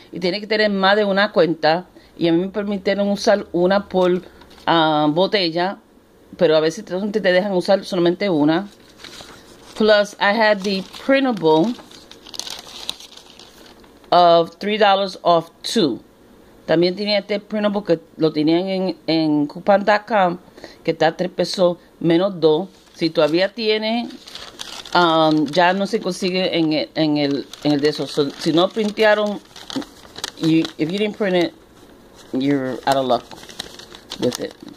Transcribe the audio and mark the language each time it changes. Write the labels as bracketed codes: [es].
[es] Y tiene que tener más de una cuenta. Y a mí me permitieron usar una por botella. Pero a veces te dejan usar solamente una. [en] Plus, I had the printable of $3 off two. [es] También tenía este printable que lo tenían en coupon.com, que está 3 pesos menos 2. Si todavía tiene, ya no se consigue en el de esos. So, si no printearon, [en] if you didn't print it, you're out of luck with it.